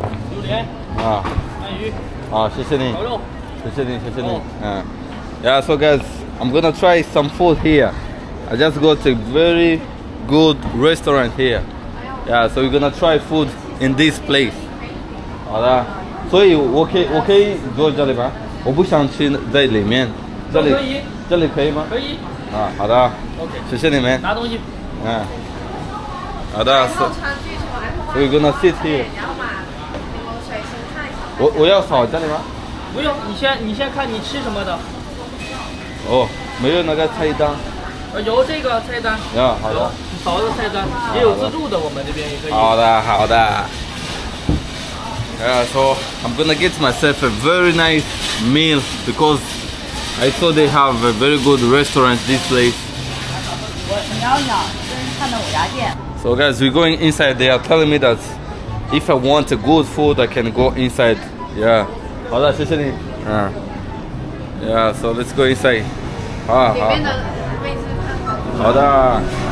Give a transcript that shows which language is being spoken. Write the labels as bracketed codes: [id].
[zh] 榴莲。啊。鳗鱼。啊，谢谢你。烤肉。谢谢你。 [en] Yeah, so guys, I'm gonna try some food here. I just got a very good restaurant here. Yeah, so we're gonna try food in this place. [zh] 好的，所以我可以坐这里吗？我不想吃在里面。这里可以。这里可以吗？可以。啊，好的。 [en] OK。 [zh] 谢谢你们。拿东西。嗯。好的。 [en] So we're gonna sit here. [zh] 然后嘛，你们随心看一下。我要扫这里吗？不用，你先看你吃什么的。哦，没有那个菜单。有这个菜单，好的，有好的菜单，也有自助的，我们这边也可以。好的。 [en] Yeah, so I'm gonna get myself a very nice meal because I thought they have a very good restaurant this place. [zh] 我瞄瞄，真是看到五家店。 [en] So guys, we're going inside. They are telling me that if I want a good food, I can go inside. Yeah. [zh] 好的，谢谢你。 [en] Yeah, so let's go inside. [zh] 好好好，里面的位置看好。好的。